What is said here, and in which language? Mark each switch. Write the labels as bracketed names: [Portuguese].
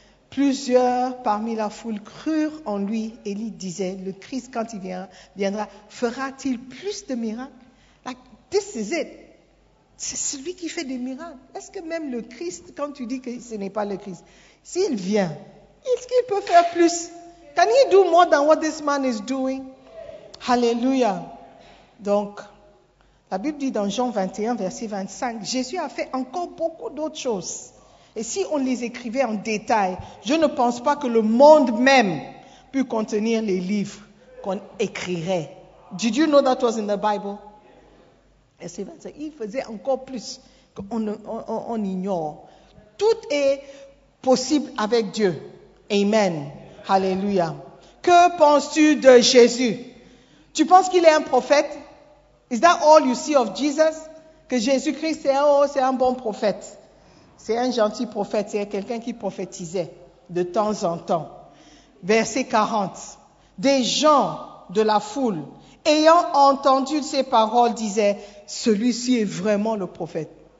[French] Plusieurs parmi la foule crurent en lui. Élie disait, le Christ, quand il viendra, fera-t-il plus de miracles? [English] Like, this is it. [French] C'est celui qui fait des miracles. Est-ce que même le Christ, quand tu dis que ce n'est pas le Christ, s'il vient, est-ce qu'il peut faire plus? [English] Can he do more than what this man is doing? Hallelujah. [French] Donc, la Bible dit dans Jean 21, verset 25, Jésus a fait encore beaucoup d'autres choses. Et si on les écrivait en détail, je ne pense pas que le monde même pût contenir les livres qu'on écrirait. [English] Did you know that was in the Bible? [French] Il faisait encore plus qu'on ignore. Tout est possible avec Dieu. Amen. Hallelujah. Que penses-tu de Jésus? Tu penses qu'il est un prophète? [English] Is that all you see of Jesus? [French] Que Jésus-Christ, c'est un bon prophète. C'est un gentil prophète, c'est quelqu'un qui prophétisait de temps en temps. Verset 40. Des gens de la foule, ayant entendu ces paroles, disaient, celui-ci est vraiment le prophète.